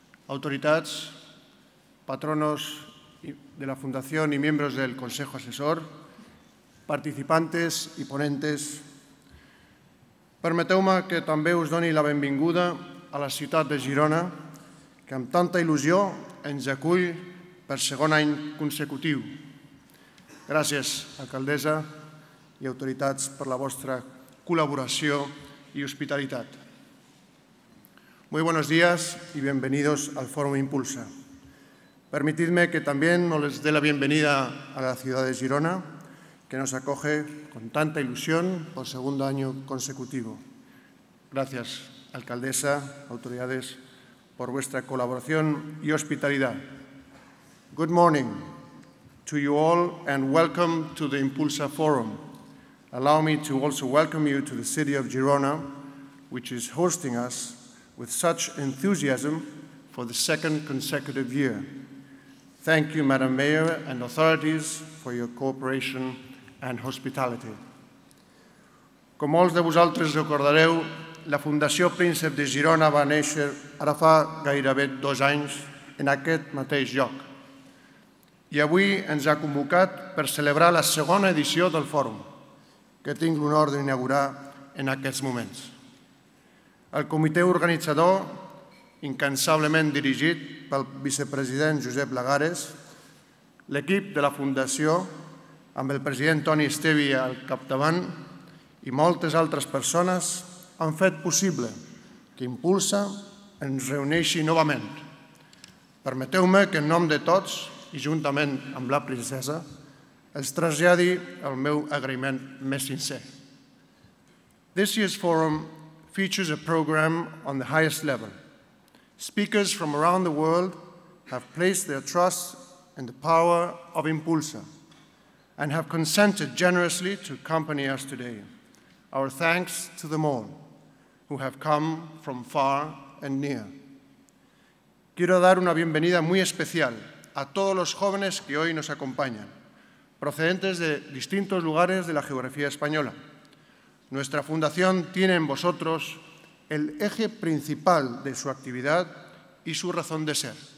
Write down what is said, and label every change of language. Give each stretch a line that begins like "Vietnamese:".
Catalan: Autoritats, patronos de la Fundació i membres del Consejo Assessor, participantes i ponentes, permeteu-me que també us doni la benvinguda a la ciutat de Girona, que amb tanta il·lusió ens acull per segon any consecutiu. Gràcies, alcaldessa i autoritats, per la vostra col·laboració
Spanish: y hospitalidad. Muy buenos días y bienvenidos al Fórum Impulsa. Permitidme que también nos les dé la bienvenida a la ciudad de Girona, que nos acoge con tanta ilusión por segundo año consecutivo. Gracias, alcaldesa, autoridades, por vuestra colaboración y hospitalidad.
English: Good morning to you all and welcome to the Impulsa Forum. Allow me to also welcome you to the city of Girona, which is hosting us with such enthusiasm for the second consecutive year. Thank you, Madam Mayor and authorities, for your cooperation and hospitality.
Catalan: Com molts de vosaltres recordareu, la Fundació Príncep de Girona va néixer ara fa gairebé dos anys en aquest mateix lloc. I avui ens ha convocat per celebrar la segona edició del Fòrum, que tinc l'honor d'inaugurar en aquests moments. El comitè organitzador, incansablement dirigit pel vicepresident Josep Lagares, l'equip de la Fundació, amb el president Toni Estevi al capdavant, i moltes altres persones han fet possible que Impulsa ens reuneixi novament. Permeteu-me que en nom de tots, i juntament amb la princesa, es traslladi el meu agraïment més sincer.
English: This year's forum features a program on the highest level. Speakers from around the world have placed their trust in the power of Impulsa and have consented generously to accompany us today. Our thanks to them all who have come from far and near.
Spanish: Quiero dar una bienvenida muy especial a todos los jóvenes que hoy nos acompañan, procedentes de distintos lugares de la geografía española. Nuestra fundación tiene en vosotros el eje principal de su actividad y su razón de ser.